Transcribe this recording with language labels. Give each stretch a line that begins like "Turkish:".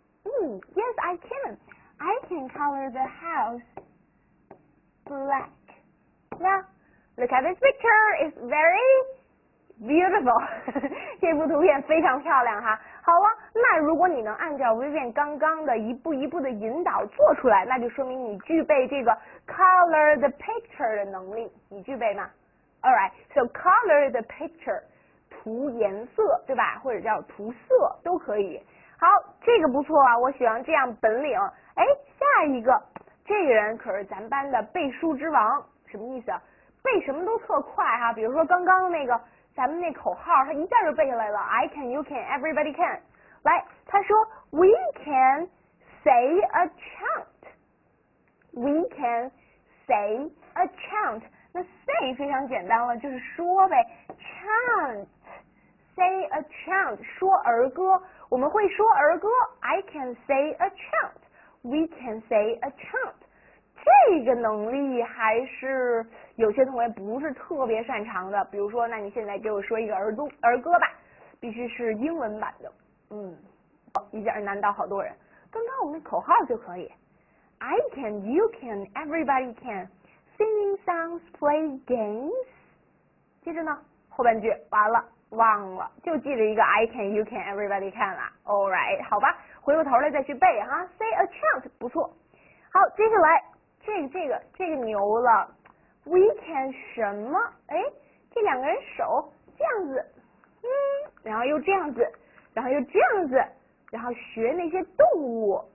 English: Yes, I can. I can color the house black. Now, look at this picture. It's very beautiful.
Chinese: 这幅图片非常漂亮哈。好了，那如果你能按照 Vivian 刚刚的一步一步的引导做出来，那就说明你具备这个 color the picture 的能力。你具备吗？
English: All right, so color the picture,
Chinese: 涂颜色，对吧？或者叫涂色都可以。好，这个不错啊，我喜欢这样本领。哎，下一个，这个人可是咱班的背书之王，什么意思啊？背什么都特快哈，比如说刚刚那个咱们那口号，他一下就背下来了。
English: I can, you can, everybody can。
Chinese: 来，他说
English: We can say a chant。 We can say a chant。
Chinese: 那 say 非常简单了，就是说呗 ，chant。
English: Say a chant，
Chinese: 说儿歌。 我们会说儿歌
English: ，I can say a chant， we can say a chant。
Chinese: 这个能力还是有些同学不是特别擅长的。比如说，那你现在给我说一个儿歌吧，必须是英文版的。嗯，一下难倒好多人。刚刚我们口号就可以
English: ，I can， you can， everybody can， singing songs， play games。
Chinese: 接着呢，后半句完了。忘了，就记着一个
English: I can, you can, everybody can
Chinese: 啦。
English: All right，
Chinese: 好吧，回过头来再去背哈。Say a chant 不错。好，接下来这个牛了 ，we can 什么？哎，这两个人手这样子，然后又这样子，然后又这样子，然后学那些动物。